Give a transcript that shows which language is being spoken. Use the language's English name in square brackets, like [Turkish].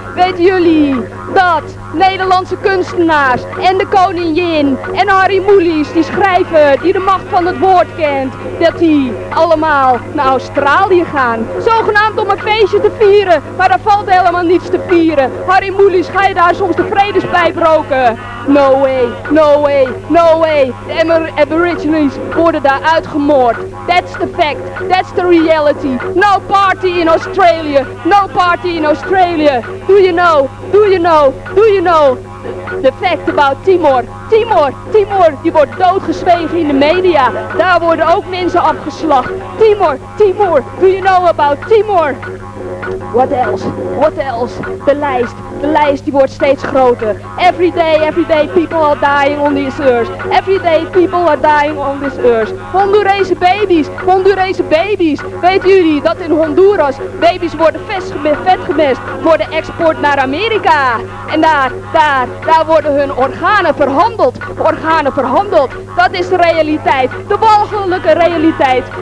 [Dutch] Weten jullie dat Nederlandse kunstenaars en de koningin en Harry Mulisch, die schrijver die de macht van het woord kent, dat die allemaal naar Australië gaan? Zogenaamd om een feestje te vieren, maar daar valt helemaal niets te vieren. Harry Mulisch, ga je daar soms de vredespijp roken? [English] No way, no way, no way. [Dutch] De Aborigines worden daar uitgemoord. [English] That's the fact, that's the reality. No party in Australia, no party in Australia. Do you know, do you know, do you know the fact about Timor? [Dutch] Timor, Timor, die wordt doodgezwegen in de media. Daar worden ook mensen afgeslacht. [English] Timor, Timor, do you know about Timor? What else? What else? [Dutch] De lijst die wordt steeds groter. [English] Every day people are dying on this earth. Every day people are dying on this earth. [Dutch] Hondurese baby's, Hondurese baby's. Weten jullie dat in Honduras baby's worden vetgemest, voor de export naar Amerika. En daar worden hun organen verhandeld. Organen verhandeld. Dat is de realiteit. De walgelijke realiteit.